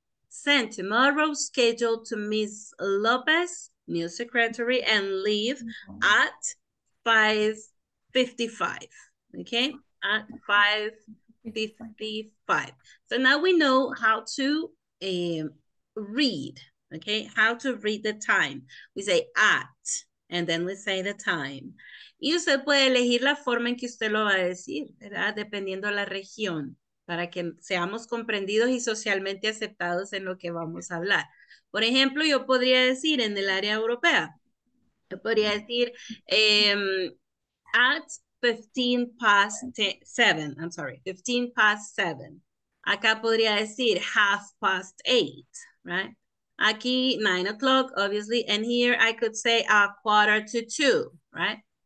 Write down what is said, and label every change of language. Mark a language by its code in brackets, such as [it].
[en] Send tomorrow's schedule to Ms. Lopez, new secretary, and leave at 5:55. Okay? At 5:55. So now we know how to read. Okay? How to read the time. We say at, and then we say the time. [es] Y usted puede elegir la forma en que usted lo va a decir, ¿verdad? Dependiendo la región, para que seamos comprendidos y socialmente aceptados en lo que vamos a hablar. Por ejemplo, yo podría decir en el área europea, yo podría decir at 15 past 7. Acá podría decir half past 8, right? [en] Aquí 9 o'clock, obviously, and here I could say a 1:45, right?